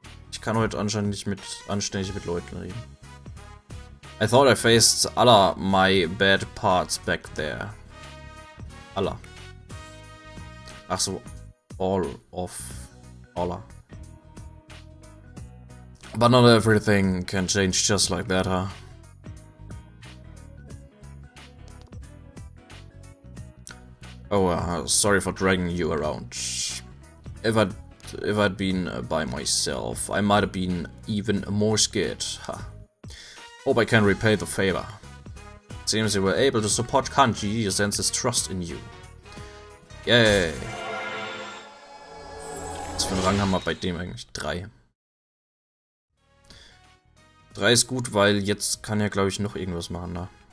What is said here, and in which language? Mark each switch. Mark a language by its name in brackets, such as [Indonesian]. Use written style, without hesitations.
[German] Ich kann heute anscheinend nicht mit anständig mit Leuten reden. [English] I thought I faced all my bad parts back there. Alla. [German] Ach so, [English] all of Alla. But not everything can change just like that, huh? Oh, sorry for dragging you around. If I'd been by myself, I might have been even more scared. Huh. Hope I can repay the favor. Seems you were able to support Kanji, he senses trust in you. Yay! [German] Was für einen Rang haben wir bei dem eigentlich? 3. 3 ist gut, weil jetzt kann er, glaube ich, noch irgendwas machen, ne?